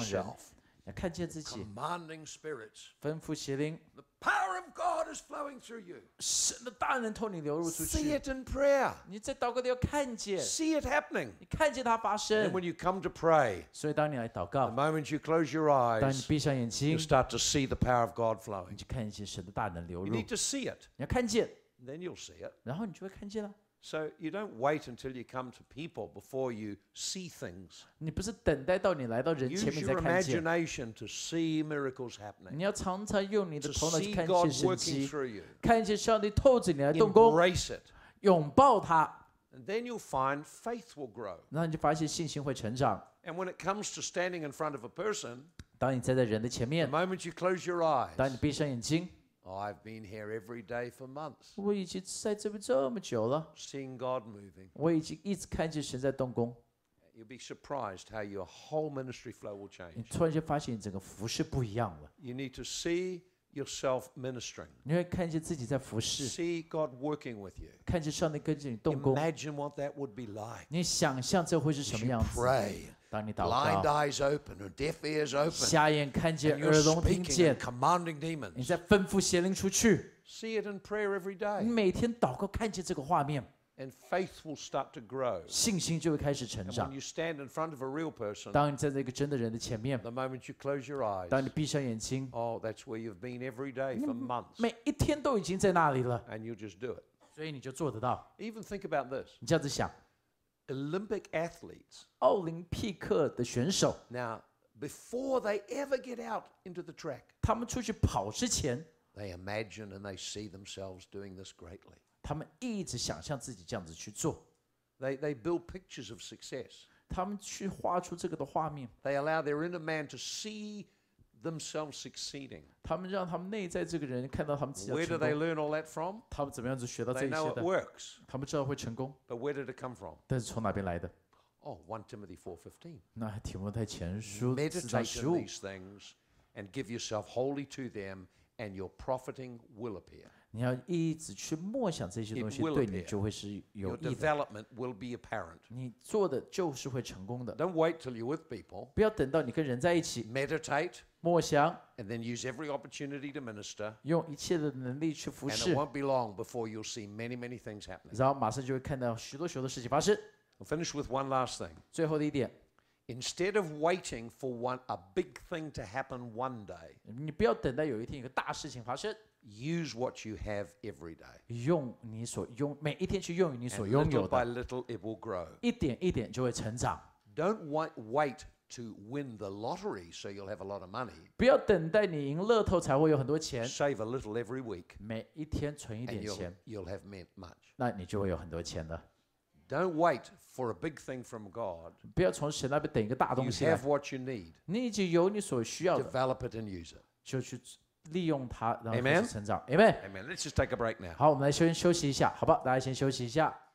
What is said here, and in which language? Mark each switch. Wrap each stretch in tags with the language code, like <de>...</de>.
<en>See yourself.</en> <zh>你要看见自己。</zh> <en>Commanding spirits.</en> <zh>吩咐邪灵。</zh> <en>The power of God is flowing through you.</en> <zh>神的大能透你流入出去。</zh> <en>See it in prayer.</en> <zh>你在祷告的要看见。</zh> <en>See it happening.</en> <zh>你看见它发生。</zh> <en>And when you come to pray,</en> <zh>所以当你来祷告,</zh> <en>the moment you close your eyes,</en> <zh>当你闭上眼睛,</zh> <en>you start to see the power of God flowing.</en> <zh>你就看见神的大能流入。</zh> <en>You need to see it.</en> <zh>你要看见。</zh> <en>Then you'll see it.</en> <zh>然后你就会看见了。</zh> <en>So you don't wait until you come to people before you see things.</en> <zh>你不是等待到你来到人前面才看见。</zh> <en>Use your imagination to see miracles happening.</en> <zh>你要常常用你的头脑去看见神迹。</zh> <en>See God working through you.</en> <zh>看见上帝透着你来动工。</zh> <en>Embrace it.</en> <zh>拥抱它。</zh> <en>And then you'll find faith will grow.</en> <zh>然后你就发现信心会成长。</zh> <en>And when it comes to standing in front of a person,</en> <zh>当你站在人的前面。</zh> <en>The moment you close your eyes,</en> <zh>当你闭上眼睛。</zh> <en>I've been here every day for months.</en> <zh>我已经在这边这么久了。</zh> <en>Seeing God moving.</en> <zh>我已经一直看见神在动工。</zh> <en>You'll be surprised how your whole ministry flow will change.</en> <zh>你突然间发现你整个服事不一样了。</zh> <en>You need to see yourself ministering.</en> <zh>你会看见自己在服事。</zh> <en>See God working with you.</en> <zh>看见上帝跟着你动工。</zh> <en>Imagine what that would be like.</en> <zh>你想象这会是什么样子。</zh> <en>Pray. Blind eyes open or deaf ears open.</en> <zh>瞎眼看见，耳聋听见。</zh> <en>Commanding demons.</en> <zh>你在吩咐邪灵出去。</zh> <en>See it in prayer every day.</en> <zh>你每天祷告看见这个画面。</zh> <en>And faith will start to grow.</en> <zh>信心就会开始成长。</zh> <en>And when you stand in front of a real person,</en> <zh>当你站在一个真的人的前面。</zh> <en>The moment you close your eyes,</en> <zh>当你闭上眼睛。</zh> <en>Oh, that's where you've been every day for months.</en> <zh>每一天都已经在那里了。</zh> <en>And you just do it.</en> <zh>所以你就做得到。</zh> <en>Even think about this.</en> <zh>你这样子想。</zh> <en>Olympic athletes,</en> <zh>奥林匹克的选手,</zh> <en>now, before they ever get out into the track,</en> <zh>他们出去跑之前,</zh> <en>they imagine and they see themselves doing this greatly.</en> <zh>他们一直想象自己这样子去做。</zh> <en>They build pictures of success.</en> <zh>他们去画出这个的画面。</zh> <en>They allow their inner man to see themselves succeeding.</en> <zh>他们让他们内在这个人看到他们自己的</zh> <en>成功。Where do they learn all that from?</en> <zh>他们怎么样子学到这些的?</zh> <en>They know it works.</en> <zh>他们知道会成功。</zh> <en>But where did it come from?</en> <zh>但是从哪边来的?</zh> <en>Oh, 1 Timothy 4:15.</en> <zh>那提摩太前书 4:15.</zh> <en>Meditate on these things and give yourself wholly to them, and your profiting will appear.</en> <zh>你要一直去默想这些东西，对你就会是有益的。</zh> <en>Your development will be apparent.</en> <zh>你做的就是会成功的。</zh> <en>Don't wait till you're with people.</en> <zh>不要等到你跟人在一起。</zh> <en>Meditate.</en> <zh>默想。</zh> <en>And then use every opportunity to minister.</en> <zh>用一切的能力去服侍。</zh> <en>And it won't be long before you'll see many, many things happening.</en> <zh>然后马上就会看到许多许多的事情发生。</zh> <en>I'll finish with one last thing.</en> <zh>最后的一点。</zh> <en>Instead of waiting for a big thing to happen one day.</en> <zh>你不要等到有一天一个大事情发生。</zh> <en>Use what you have every day.</en> <zh>用你所用每一天去用你所拥有的。</zh> <en>And little by little, it will grow.</en> <zh>一点一点就会成长。</zh> <en>Don't wait to win the lottery so you'll have a lot of money.</en> <zh>不要等待你赢乐透才会有很多钱。</zh> <en>Save a little every week.</en> <zh>每一天存一点钱。</zh> <en>You'll have much.</en> <zh>那你就会有很多钱的。</zh> <en>Don't wait for a big thing from God.</en> <zh>不要从神那边等一个大东西。</zh> <en>You have what you need.</en> <zh>你已经有你所需要的。</zh> <en>Develop it and use it.</en> <zh>就去。利用它，然后开始成长。</zh> <en>Amen. Amen. Amen. Let's just take a break now.</en> <zh>好，我们来先休息一下，好吧？大家先休息一下。</zh>